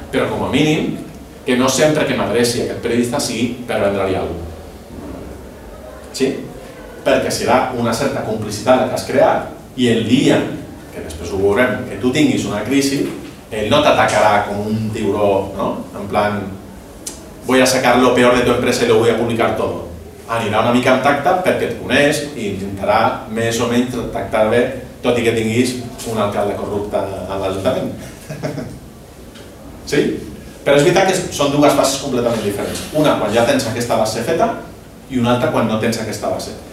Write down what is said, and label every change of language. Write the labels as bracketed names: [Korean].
[Catalan] Però com a mínim, que no sempre que m'adreci a aquest periodista sigui per vendre-li alguna cosa. Sí? Perquè serà una certa complicitat que has creat i el dia, que després ho veurem, que tu tinguis una crisi, ell no t'atacarà com un tiuró, no? [Spanish] En plan, voy a sacar lo peor de tu empresa y lo voy a publicar todo. [Catalan] Anirà una mica en tacte perquè et coneix i intentarà més o menys tractar bé, tot i que tinguis un alcalde corrupte a l'Ajuntament. Sí? Però és veritat que són dues bases completament diferents. Una quan ja tens aquesta base feta i una altra quan no tens aquesta base.